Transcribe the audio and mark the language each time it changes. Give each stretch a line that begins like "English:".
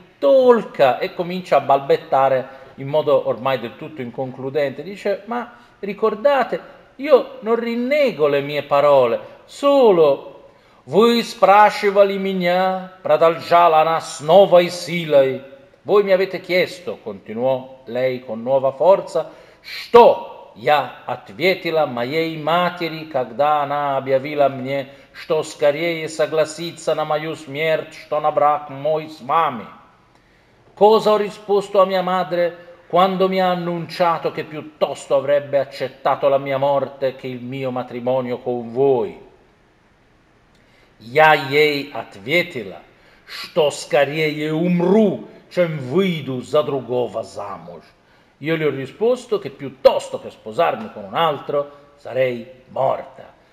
Russian: Толка,
Italian: e comincia a balbettare in modo ormai del tutto inconcludente. Dice: ma ricordate, io non rinnego le mie parole, solo voi
Russian: спрашивали меня, продолжала она снова и силой.
Italian: Voi mi avete chiesto, continuò lei con nuova forza,
Russian: что я ответила моей матери, когда она объявила мне, что скорее согласиться на мою смерть, что на брак мой с вами.
Italian: Cosa ho risposto a mia madre quando mi ha annunciato che piuttosto avrebbe accettato la mia morte che il mio matrimonio con voi?
Russian: Я ей ответила, что скорее умру, чем выйду за другого замуж.
Italian: Io le ho risposto che piuttosto che sposarmi con un altro sarei morta.